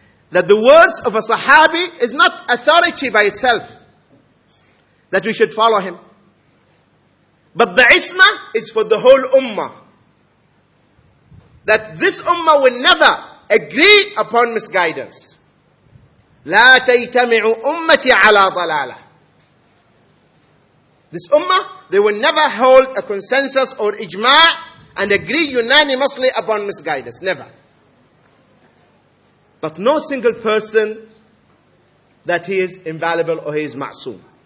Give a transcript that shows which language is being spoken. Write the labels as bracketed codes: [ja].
[en] That the words of a sahabi is not authority by itself, that we should follow him. But the isma is for the whole ummah. That this ummah will never agree upon misguidance. [ar] لا تيتمعوا أمتي على ضلالة. [en] This ummah, they will never hold a consensus or ijma' and agree unanimously upon misguidance. Never. But no single person that he is infallible or he is ma'soom.